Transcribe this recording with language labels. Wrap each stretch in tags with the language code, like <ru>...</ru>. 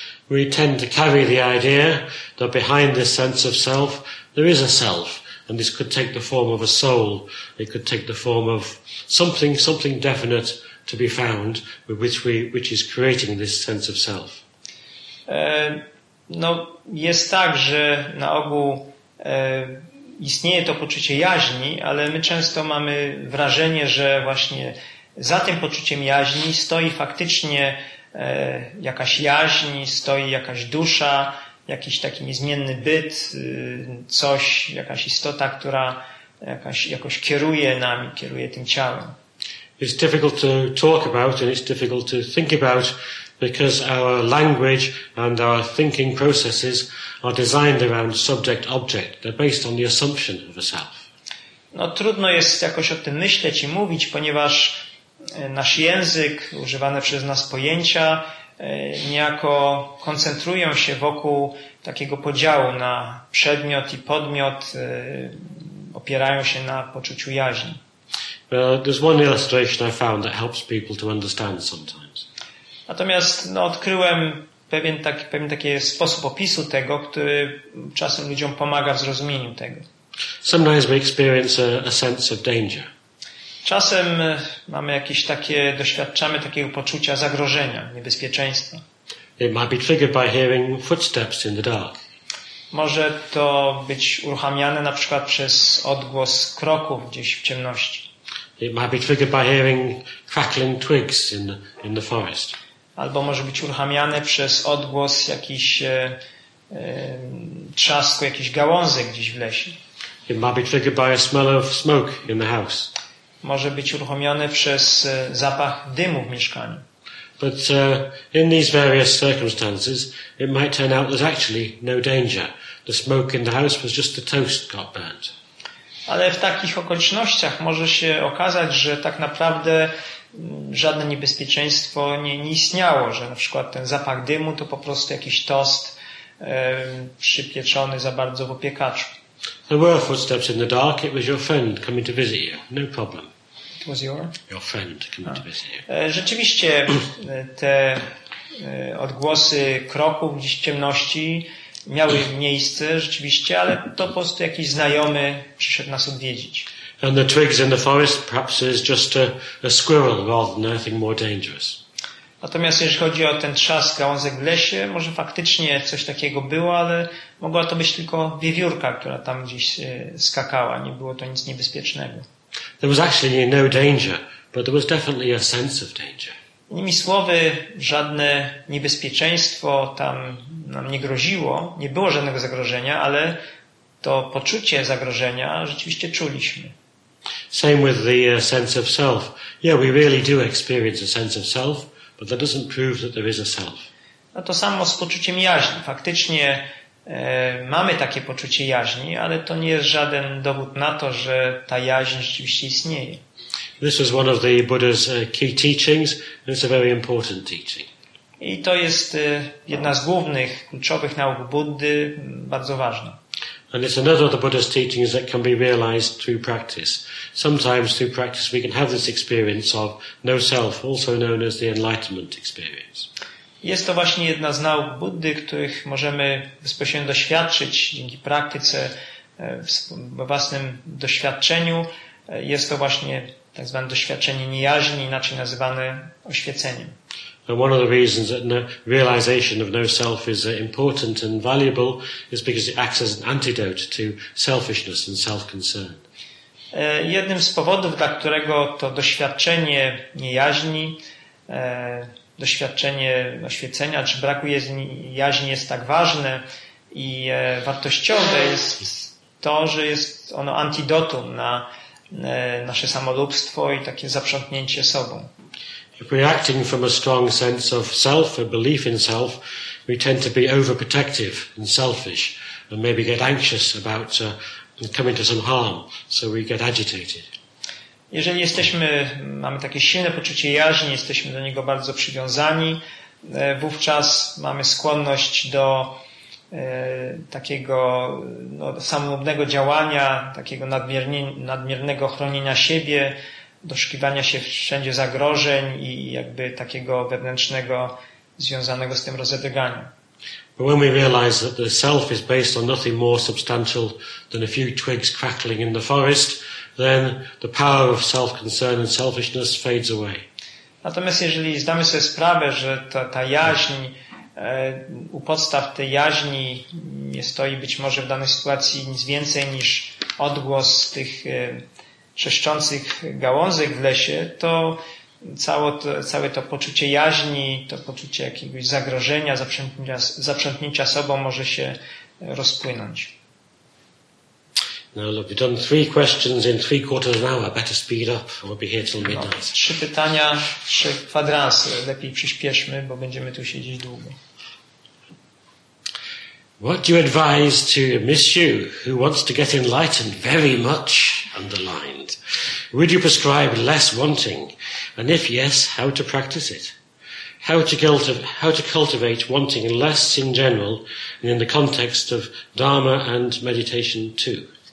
<en>We tend to carry the idea that behind this sense of self there is a self, and this could take the form of a soul, it could take the form of something definite to be found with which is creating this sense of self.</en> <pl>No jest tak, że na ogół istnieje to poczucie jaźni, ale my często mamy wrażenie, że właśnie za tym poczuciem jaźni stoi faktycznie jakaś jaźń, stoi jakaś dusza, jakiś taki niezmienny byt, coś, jakaś istota, która jakoś kieruje nami, kieruje tym ciałem.</pl> <en>It's difficult to talk about and it's difficult to think about because our language and our thinking processes are designed around subject-object. They're based on the assumption of a self.</en> <pl>No trudno jest jakoś o tym myśleć i mówić, ponieważ nasz język, używane przez nas pojęcia, niejako koncentrują się wokół takiego podziału na przedmiot i podmiot, opierają się na poczuciu jaźni.</pl> <en>There's one illustration I found that helps people to understand sometimes.</en> <pl>Natomiast no, odkryłem pewien taki sposób opisu tego, który czasem ludziom pomaga w zrozumieniu tego.</pl> <en>Sometimes we experience a sense of danger.</en> <pl>Czasem mamy jakieś takie, doświadczamy takiego poczucia zagrożenia, niebezpieczeństwa.</pl> <en>It might be triggered by hearing footsteps in the dark.</en> <pl>Może to być uruchamiane na przykład przez odgłos kroków gdzieś w ciemności.</pl> <en>It might be triggered by hearing crackling twigs in the forest.</en> <pl>Albo może być uruchamiane przez odgłos jakiś trzasku, jakiś gałązek gdzieś w lesie.</pl> <en>It might be triggered by a smell of smoke in the house.</en> <pl>Może być uruchomione przez zapach dymu w mieszkaniu.</pl> <en>But in these various circumstances, it might turn out there's actually no danger. The smoke in the house was just the toast got burnt.</en> <pl>Ale w takich okolicznościach może się okazać, że tak naprawdę żadne niebezpieczeństwo nie istniało, że na przykład ten zapach dymu to po prostu jakiś tost przypieczony za bardzo w opiekaczu.</pl> <en>There were footsteps in the dark. It was your friend coming to visit you. No problem. It was your? Your friend coming to visit you.</en> <pl>Rzeczywiście te odgłosy kroków gdzieś w ciemności miały miejsce, rzeczywiście, ale to po prostu jakiś znajomy przyszedł nas odwiedzić.</pl> <en>And the twigs in the forest perhaps is just a squirrel rather than anything more dangerous.</en> <pl>Natomiast jeśli chodzi o ten trzask, gałązek w lesie, może faktycznie coś takiego było, ale mogła to być tylko wiewiórka, która tam gdzieś skakała. Nie było to nic niebezpiecznego.</pl> <en>There was actually no danger, but there was definitely a sense of danger.</en> <pl>Innymi słowy, żadne niebezpieczeństwo tam nam nie groziło, nie było żadnego zagrożenia, ale to poczucie zagrożenia rzeczywiście czuliśmy.</pl> <en>Same with the sense of self. Yeah, we really do experience a sense of self, but that doesn't prove that there is a self.</en> <pl>No to samo z poczuciem jaźni. Faktycznie mamy takie poczucie jaźni, ale to nie jest żaden dowód na to, że ta jaźń rzeczywiście istnieje.</pl> <en>This is one of the Buddha's key teachings, and it's a very important teaching.</en> <pl>I to jest jedna z głównych, kluczowych nauk Buddy, bardzo ważna.</pl> <en>And it's another of the Buddha's teachings that can be realized through practice. Sometimes through practice we can have this experience of no self, also known as the enlightenment experience.</en> <pl>Jest to właśnie jedna z nauk Buddy, których możemy bezpośrednio doświadczyć dzięki praktyce w własnym doświadczeniu. Jest to właśnie tak zwane doświadczenie niejaźni, inaczej nazywane oświeceniem.</pl> <en>And one of the reasons that realization of no self is important and valuable is because it acts as an antidote to selfishness and self-concern.</en> <pl>Jednym z powodów, dla którego to doświadczenie niejaźni, doświadczenie oświecenia czy braku jaźni jest tak ważne i wartościowe, jest to, że jest ono antidotum na nasze samolubstwo i takie zaprzątnięcie sobą.</pl> <en>If we're acting from a strong sense of self, a belief in self, we tend to be overprotective and selfish and maybe get anxious about coming to some harm, so we get agitated.</en> <pl>Jeżeli jesteśmy, mamy takie silne poczucie jaźni, jesteśmy do niego bardzo przywiązani, wówczas mamy skłonność do takiego no, samolubnego działania, takiego nadmiernego chronienia siebie, doszukiwania się wszędzie zagrożeń i jakby takiego wewnętrznego związanego z tym rozedygania.</pl> <en>But when we realize that the self is based on nothing more substantial than a few twigs crackling in the forest, then the power of self-concern and selfishness fades away.</en> <pl>Natomiast jeżeli zdamy sobie sprawę, że ta jaźń, u podstaw tej jaźni nie stoi być może w danej sytuacji nic więcej niż odgłos tych trzeszczących gałązek w lesie, to całe to poczucie jaźni, to poczucie jakiegoś zagrożenia, zaprzątnięcia sobą może się rozpłynąć.</pl> <en>Now look, we've done three questions in three quarters of an hour. Better speed up, or we'll be here till midnight. No,</en> <pl>trzy pytania, trzy kwadransy. Lepiej przyspieszmy, bo będziemy tu siedzieć długo.</pl> <en>What do you advise to Monsieur who wants to get enlightened very much, underlined? Would you prescribe less wanting? And if yes, how to practice it? How to cultivate wanting less in general and in the context of Dharma and meditation too?</en>